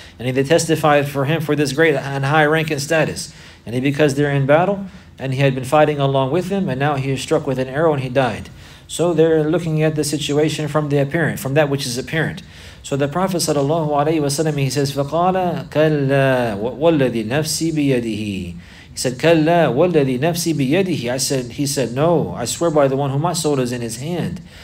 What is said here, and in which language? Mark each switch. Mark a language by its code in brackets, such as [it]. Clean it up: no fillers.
[en] And they testified for him for this great and high rank and status. And because they're in battle, and he had been fighting along with them, and now he is struck with an arrow and he died. So they're looking at the situation from the apparent, from that which is apparent. So the Prophet sallallahu alaihi wasallam, he says, [ar] فَقَالَ كَلَّا وَالَّذِي نَفْسِي بِيَدِهِ. [en] He said, [ar] كَلَّا وَالَّذِي نَفْسِي بِيَدِهِ. [en] He said, no, I swear by the one whom my soul is in his hand.